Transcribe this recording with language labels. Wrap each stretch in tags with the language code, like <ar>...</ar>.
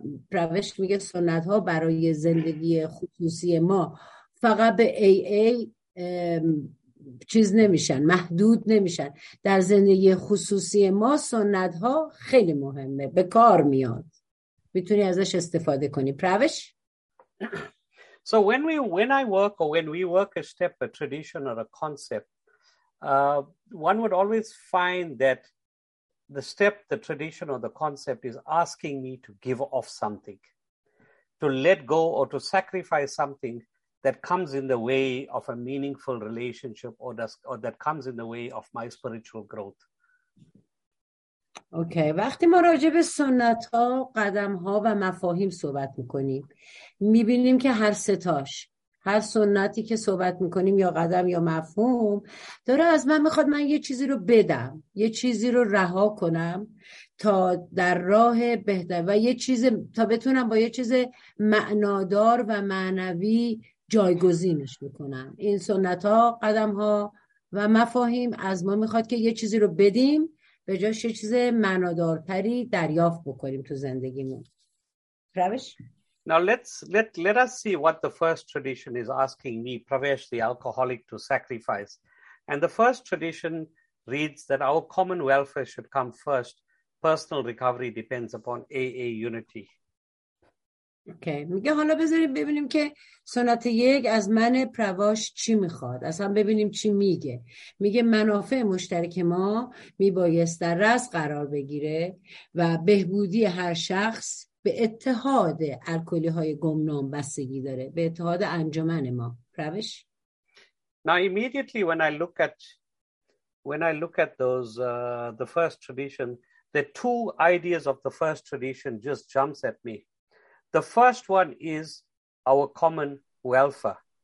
<fa>پروش میگه سنت ها برای زندگی خصوصی ما فقط به AA چیز نمیشن، محدود نمیشن. در زندگی خصوصی ما سنت ها خیلی مهمه، به کار میاد، میتونی ازش استفاده کنی. پروش؟</fa> <en>So when I work or when we work a step, a tradition or a concept, one would always find that the step, the tradition or the concept is asking me to give off something, to let go or to sacrifice something that comes in the way of a meaningful relationship or that comes in the way of my spiritual growth. Okay.</en> <fa>وقتی ما راجع به سنت ها، قدم ها و مفاهیم صحبت میکنیم میبینیم که هر ستاش، هر سنتی که صحبت میکنیم یا قدم یا مفهوم داره از من میخواد من یه چیزی رو بدم، یه چیزی رو رها کنم تا در راه بهتر و یه چیز تا بتونم با یه چیز معنادار و معنوی جایگزینش میکنم. این سنت ها، قدم ها و مفاهیم از ما میخواد که یه چیزی رو بدیم به جاش چیز معنادارتری دریافت بکنیم تو زندگیمون. روش؟</fa> <en>Now let us see what the first tradition is asking me, Pravesh the alcoholic, to sacrifice. And the first tradition reads that our common welfare should come first. Personal recovery depends upon AA unity.</en> <fa>اوکی میگه حالا بذاریم ببینیم که سنت یک از من پرواش چی میخواد. اصلا ببینیم چی میگه. میگه منافع مشترک ما میبایست در رأس قرار بگیره و بهبودی هر شخص به اتحاد الکلی های گمنام بستگی داره. به اتحاد انجمن ما. روش؟</fa> <en>Now immediately when I look at those the first tradition, the two ideas of the first tradition just jumps at me. The first one is our common welfare.</en>